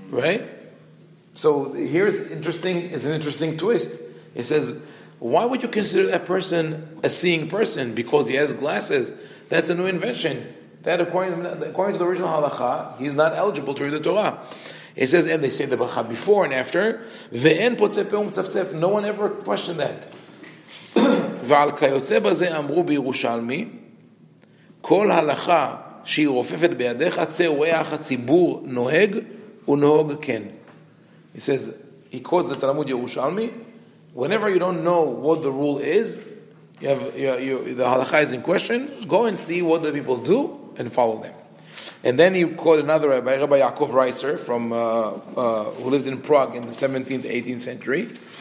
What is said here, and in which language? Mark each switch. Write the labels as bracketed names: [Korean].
[English] Right? So here's interesting. It's an interesting twist. It says, why would you consider that person a seeing person? Because he has glasses. That's a new invention. That according to the original halakha, he's not eligible to read the Torah. It says, and they say the bracha before and after. No one ever questioned that. [Hebrew] ועל כיוצא בזה אמרו בירושלמי, כל הלכה שהיא רופפת בידיך, צאו איך הציבור נוהג, ונוהג כן. [English] He says, he quotes the Talmud Yerushalmi, whenever you don't know what the rule is, the halakha is in question, go and see what the people do, and follow them. And then he quotes another rabbi, Rabbi Yaakov Reiser, from who lived in Prague in the 17th, 18th century.